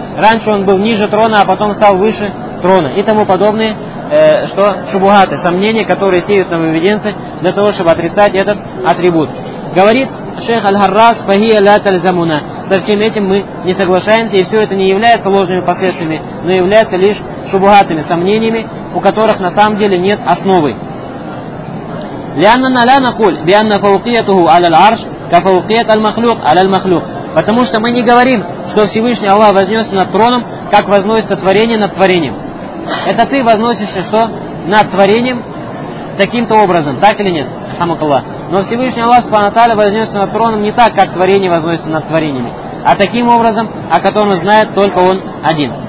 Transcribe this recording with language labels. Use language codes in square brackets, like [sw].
[ru] Раньше он был ниже трона, а потом стал выше трона. И тому подобное, что шубухаты, сомнения, которые сеют нововведенцы для того, чтобы отрицать этот атрибут. Говорит шейх Аль-Харрас, [ar] фахия ля тальзамуна. [ru] Со всем этим мы не соглашаемся, и все это не является ложными последствиями, но является лишь шубухатами, сомнениями, у которых на самом деле нет основы. [ar] لأننا لا نقول بأن فوقيته على العرش كفوقية المخلوق على المخلوق. [ru] Потому что мы не говорим, что Всевышний Аллах вознесся над троном, как возносится творение над творением. Это ты возносишься что? Над творением таким-то образом, так или нет? Но Всевышний Аллах Субхану ва Тааля вознесся над троном не так, как творение возносится над творениями, а таким образом, о котором знает только он один.